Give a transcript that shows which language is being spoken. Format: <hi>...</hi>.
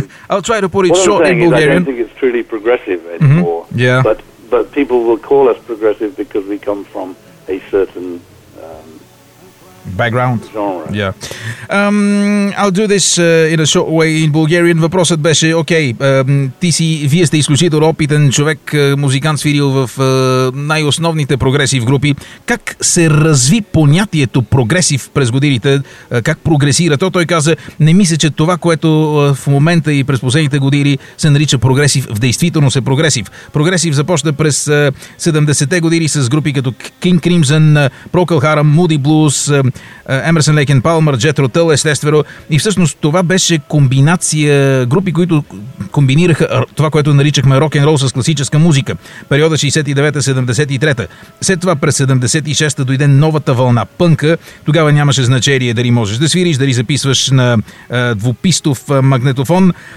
<en>I'll try to put it short in Bulgarian. I don't think it's truly progressive anymore. Mm-hmm. Yeah, but people will call us progressive because we come from a certain background genre. Yeah. I'll do this in a short way in Bulgarian.</en> <bg>Въпросът беше, окей, вие сте изключително опитен човек, музикант, свирил в най-основните прогресив групи. Как се разви понятието прогресив през годините? Как прогресира? Той каза, не мисля, че това, което в момента и през последните години се нарича прогресив, в действителност е прогресив. Прогресив започна през 70-те години с групи като King Crimson, Procol Harum, Moody Blues, Emerson, Lake & Palmer, Jethro Tull, естествено. И всъщност това беше комбинация, групи, които комбинираха това, което наричахме рок-н-рол с класическа музика. Периода 69-73. След това през 76-та дойде новата вълна пънка. Тогава нямаше значение дали можеш да свириш, дали записваш на двупистов магнетофон.</bg>